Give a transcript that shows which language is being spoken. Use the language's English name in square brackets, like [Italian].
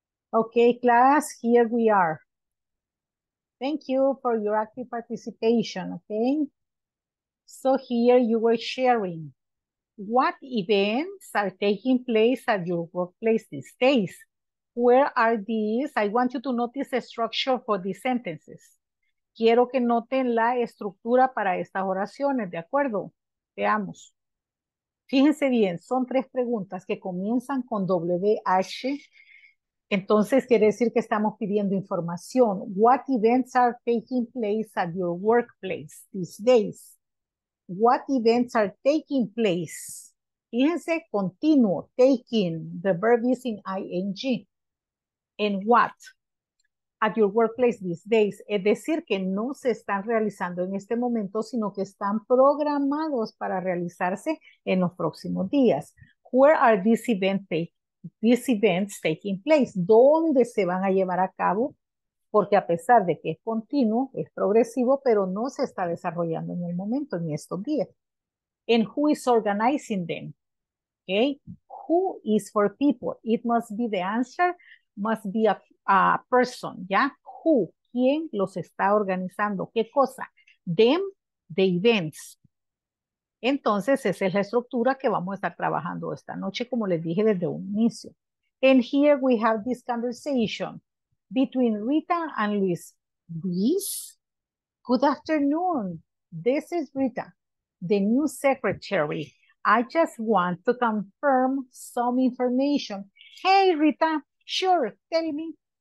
[English] Okay, class, here we are. Thank you for your active participation, okay? So here you were sharing. What events are taking place at your workplace these days? Where are these? I want you to notice the structure for these sentences. [Spanish] Quiero que noten la estructura para estas oraciones, ¿de acuerdo? Veamos. Fíjense bien, son tres preguntas que comienzan con WH. Entonces, quiere decir que estamos pidiendo información. [English] What events are taking place at your workplace these days? What events are taking place? [Spanish] Fíjense, continuo, [English] taking, the verb is in ing. And what? At your workplace these days. [Spanish] Es decir, que no se están realizando en este momento, sino que están programados para realizarse en los próximos días. [English] Where are these events taking? These events taking place, [Spanish] ¿dónde se van a llevar a cabo? Porque a pesar de que es continuo, es progresivo, pero no se está desarrollando en el momento, en estos días. [English] And who is organizing them? Okay, who is for people? It must be the answer, must be a person, ¿ya? Who, [Spanish] ¿quién los está organizando? ¿Qué cosa? [English] Them, the events. [Spanish] Entonces, esa es la estructura que vamos a estar trabajando esta noche, como les dije desde un inicio. [English] And here we have this conversation between Rita and Luis. Luis, good afternoon. This is Rita, the new secretary. I just want to confirm some information. Hey, Rita, sure, tell me.